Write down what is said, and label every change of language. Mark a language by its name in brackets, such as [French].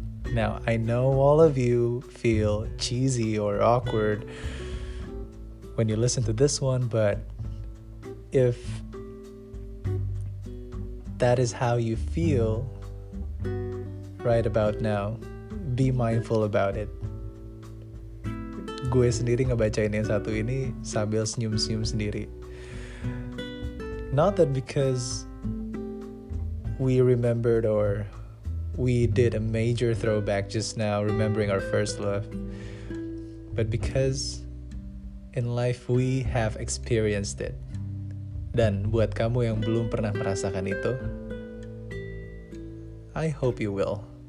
[English] Now, I know all of you feel cheesy or awkward when you listen to this one, but if that is how you feel right about now, be mindful about it. [Indonesian] Gue sendiri ngebacain yang satu ini sambil senyum-senyum sendiri. [English] Not that because we remembered or We did a major throwback just now, remembering our first love. But because in life we have experienced it. [Indonesian] Dan buat kamu yang belum pernah merasakan itu, [English] I hope you will.